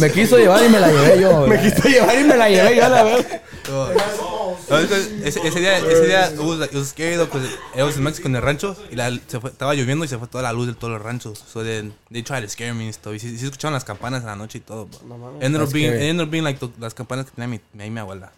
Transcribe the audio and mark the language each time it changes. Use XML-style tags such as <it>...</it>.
<es>Me quiso llevar y me la llevé yo. Me quiso llevar y me la llevé yo a la verga. Ese día</es> <en>it was scary though, because it was in Mexico in the rancho.</en> <es>Y estaba lloviendo y se fue toda la luz de todos los ranchos.</es> <en>So then they tried to scare me and stuff.</en> <es>Y si escuchaban las campanas en la noche y todo.</es> <en>Ended up being like</en> <es>las campanas que tenía mi abuela.</es>